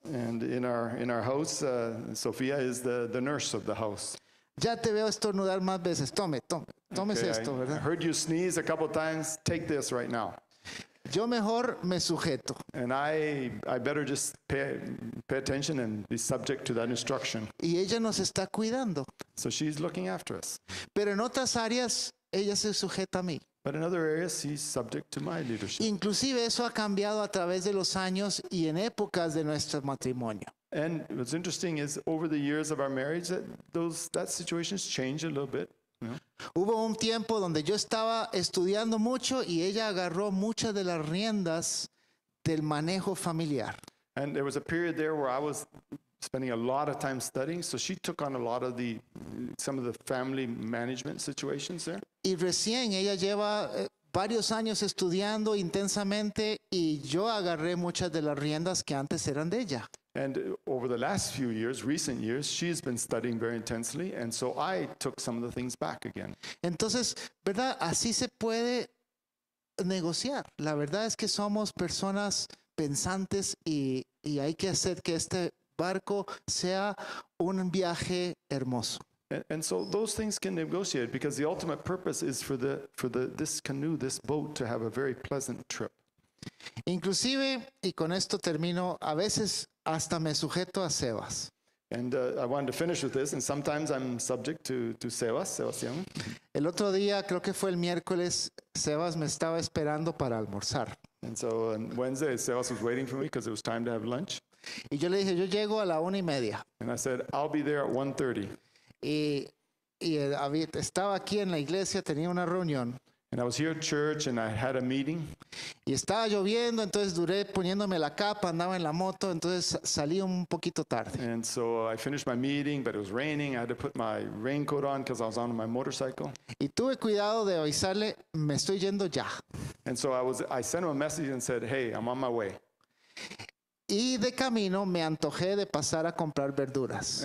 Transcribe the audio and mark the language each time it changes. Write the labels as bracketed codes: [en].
[en] And in our house, Sofía is the nurse of the house. [es] Ya te veo estornudar más veces. Tómese esto, ¿verdad? [en] I heard you sneeze a couple times. Take this right now. [es] Yo mejor me sujeto. [en] And I better just pay attention and be subject to that instruction. [es] Y ella nos está cuidando. [en] So she's looking after us. [es] Pero en otras áreas, ella se sujeta a mí. [en] But in other areas, he's subject to my leadership. [es] Inclusive eso ha cambiado a través de los años y en épocas de nuestro matrimonio. [en] And what's interesting is over the years of our marriage, that situation has changed a little bit. You know? [es] Hubo un tiempo donde yo estaba estudiando mucho y ella agarró muchas de las riendas del manejo familiar. [en] And there was a period there where I was spending a lot of time studying, so she took on a lot of some of the family management situations there. [es] Y recién ella lleva varios años estudiando intensamente y yo agarré muchas de las riendas que antes eran de ella. [en] And over the last few years, recent years, she's been studying very intensely, and so I took some of the things back again. [es] Entonces, ¿verdad? Así se puede negociar. La verdad es que somos personas pensantes y hay que hacer que este barco sea un viaje hermoso. [en] And so those things can negotiate because the ultimate purpose is for this canoe, this boat, to have a very pleasant trip. [es] Inclusive, y con esto termino, a veces hasta me sujeto a Sebas. [en] And I wanted to finish with this, and sometimes I'm subject to Sebas, Sebastián. [es] El otro día, creo que fue el miércoles, Sebas me estaba esperando para almorzar. [en] And so on Wednesday, Sebas was waiting for me because it was time to have lunch. [es] Y yo le dije, yo llego a la 1:30. [en] And I said, I'll be there at 1:30. [es] Y estaba aquí en la iglesia, tenía una reunión. [en] And I was here at church and I had a meeting. [es] Y estaba lloviendo, entonces duré poniéndome la capa, andaba en la moto, entonces salí un poquito tarde. [en] And so I finished my meeting, but it was raining. I had to put my raincoat on because I was on my motorcycle. [es] Y tuve cuidado de avisarle, me estoy yendo ya. [en] And so I sent him a message and said, hey, I'm on my way. [es] Y de camino me antojé de pasar a comprar verduras.